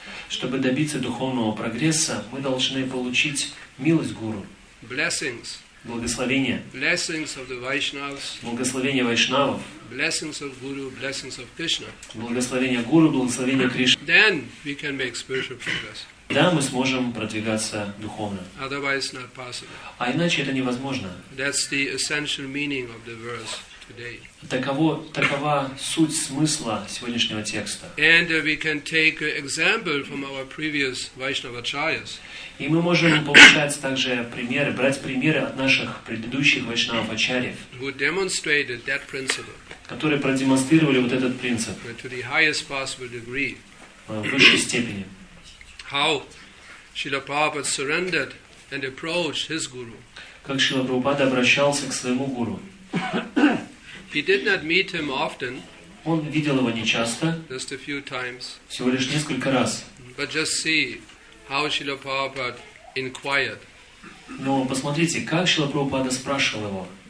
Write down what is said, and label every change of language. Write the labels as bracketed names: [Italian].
[Russian] Чтобы добиться духовного прогресса, мы должны получить милость гуру. [English] Blessings. [Russian] Благословения. [English] Blessings of the Vaishnavas. [Russian] Благословения вайшнавов. [English] Blessings of Guru, blessings of Krishna. [Russian] Благословения Гуру, благословения Кришны. [English] Then we can make spiritual progress. [Russian] Да, мы сможем продвигаться духовно. [English] Otherwise, not possible. [Russian] А иначе это невозможно. [English] That's the essential meaning of the verse today. [Russian] Такова суть смысла сегодняшнего текста. [English] And we can take example from our previous Vaishnava acharyas. [Russian] И мы можем получать также примеры, брать примеры от наших предыдущих вайшнавов ачарьев, [English] who demonstrated that principle, [Russian] которые продемонстрировали вот этот принцип [English] to the highest possible degree, [Russian] в высшей степени. [English] How Srila Prabhupada surrendered and approached his guru. [Russian] Как Шрила Прабхупада обращался к своему гуру. [English] He did not meet him often. [Russian] Он видел его нечасто. [English] Just a few times. [Russian] Всего лишь несколько раз. [English] But just see how Srila Prabhupada inquired. [Russian] Но посмотрите, как Шрила Прабхупада спрашивал его.